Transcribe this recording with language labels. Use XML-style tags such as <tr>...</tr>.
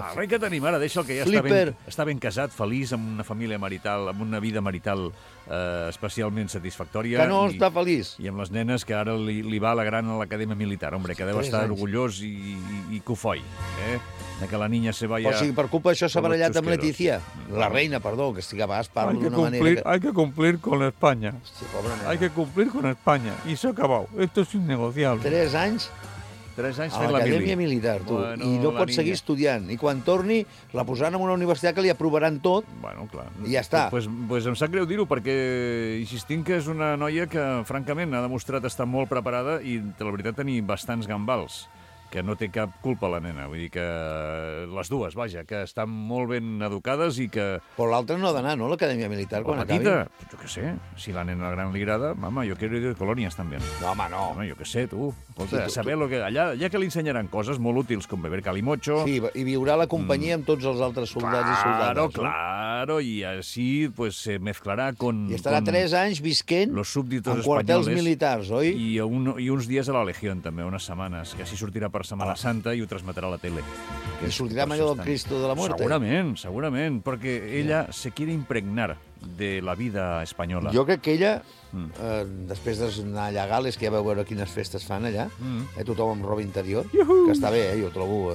<ca>El rei que tenim ara, deixa'l, que ja està ben casat, feliç, amb una família marital, amb una vida marital especialment satisfactòria. Que no està feliç. I amb les nenes que ara li va alegrant a l'acadèmia militar. Hombre, que deu estar orgullós i cofoi, eh?</ca> <es>Que la niña se vaya...</es> <ca>Però si per culpa d'això s'ha barallat amb Letícia. La reina, perdó, que estic a vas, parlo d'una manera...</ca> <es>Hay que complir con España.</es> <ca>Hòstia, pobra nena.</ca> <es>Hay que complir con España.</es> <ca>I s'ha acabat.</ca> <es>Esto es innegociable.</es> <ca>Tres anys a l'acadèmia militar, tu. Bueno, i no pot seguir estudiant. I quan torni, la posaran en una universitat que li aprovaran tot. Bueno, clar. I ja està. Pues em sap greu dir-ho, perquè insistim que és una noia que, francament, ha demostrat estar molt preparada i, la veritat, tenir bastants gambals. Que no té cap culpa la nena. Vull dir que les dues, vaja, que estan molt ben educades i que... Però l'altra no ha d'anar, no?, a l'acadèmia militar, quan acabi. La petita, jo què sé, si la nena gran li agrada, mama,</ca> <es>jo quiero ir de</es> <ca>colònies, també. No, home, no. Home, jo què sé, tu. Escolta, sí, tu, saber tu... Lo que... Allà que li ensenyaran coses molt útils, com</ca> <es>beber calimocho...</es> <ca>Sí, i viurà la companyia amb tots els altres soldats</ca> <es>claro,</es> <ca>i soldades.</ca> <es>Claro, claro, i així, pues, se mezclarà con...</es> <ca>I estarà 3 anys visquent</ca> <es>los súbditos</es> <ca>en quartels militars, oi? I uns dies a la legión, també, unes setmanes, que així sortirà per Semana Santa i ho transmetrà a la tele. I sortirà amb allò del Cristo de la Muerte. Segurament, segurament, perquè ella</ca> <es>se quiere impregnar de la vida espanyola.</es> <ca>Jo crec que ella, després d'anar allà a Gales, que ja vau veure quines festes fan allà, tothom amb roba interior, que està bé, jo trobo</ca>